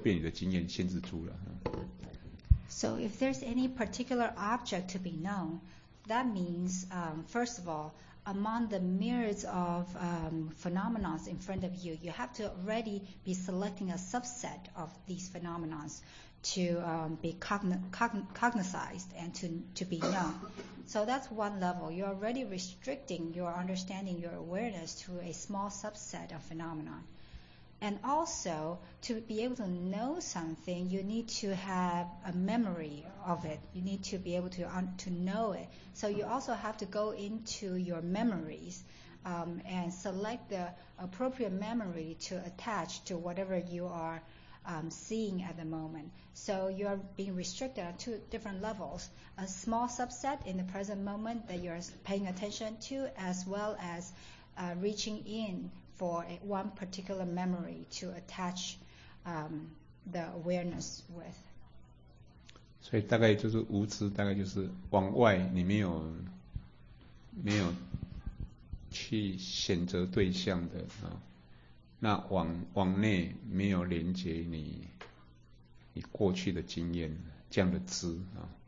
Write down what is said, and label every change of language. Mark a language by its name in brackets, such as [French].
[Chinese] 选择一个对象，然后针对这个对象，你又必须要去借助你过去的经验，来认知。所以，一个是眼前的对象就限制住了，然后你透过你的经验，又变你的经验限制住了。 [English] So if there's any particular object to be known, that means, first of all, among the myriads of phenomena in front of you, you have to already be selecting a subset of these phenomena to be cognized and to be known. So that's one level. You're already restricting your understanding, your awareness to a small subset of phenomena. And also, to be able to know something, you need to have a memory of it. You need to be able to know it. So you also have to go into your memories and select the appropriate memory to attach to whatever you are seeing at the moment. So you are being restricted on two different levels, a small subset in the present moment that you are paying attention to, as well as reaching in for one particular memory to attach the awareness with. [Chinese] 所以大概就是无知，大概就是往外你没有去选择对象的啊，那往内没有连接你过去的经验这样的知、啊、